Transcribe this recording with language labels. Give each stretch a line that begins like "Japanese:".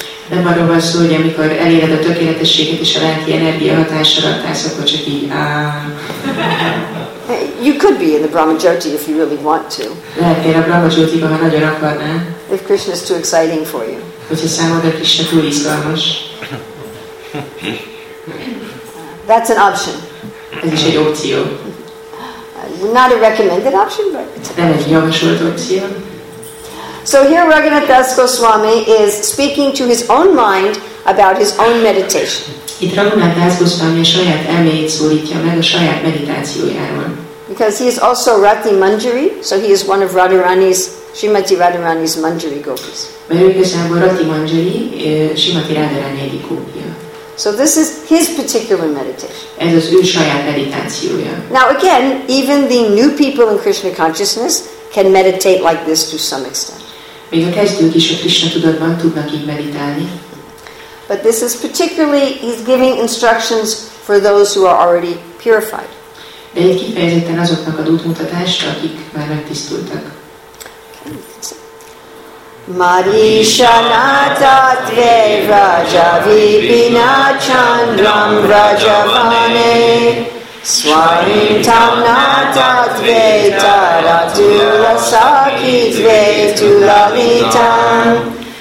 Hungarian: Nem arról van szó, hogy amikor eléred a tökéletességet és a lelki energia hatásra, tehát akkor csak így
English: You could be in the Brahmajyoti if you really want to.
Hungarian: Lehetnél a Brahmajyotiban, ha nagyon akarnál.
English: If Krishna is too exciting for you.
Hungarian: Hogyha számodra Krishna túl izgalmas.
English: That's an option.
Hungarian: Ez is egy opció.
English: Not a recommended option, but...
Hungarian: Nem egy javasolt opció.
English: So here Raghunath Das Goswami is speaking to his own mind about his own meditation.
Hungarian: Itt Raghunath Das Goswami a saját elméjét szólítja meg a saját meditációjáról.
English: Because he is also Rati Manjari, so he is one of Radharani's, Srimati Radharani's Manjari Gopis.
Hungarian: Mert ő igazából Rati Manjari, Srimati Radharani egyik gópia.
English: So this is his particular meditation.
Hungarian: Ez az ő saját meditációja.
English: Now again, even the new people in Krishna consciousness can meditate like this to some extent.
Hungarian: Még a kezdők is a Krishna tudatban tudnak így meditálni.
English: But this is particularly, he's giving instructions for those who are already purified.
Hungarian: De itt kifejezetten azoknak ad útmutatást, akik már megtisztultak.
Sanskrit: Marisha nata tve raja vipina chandram raja vane Swarim tam nata tve tara tula saki tve tula vita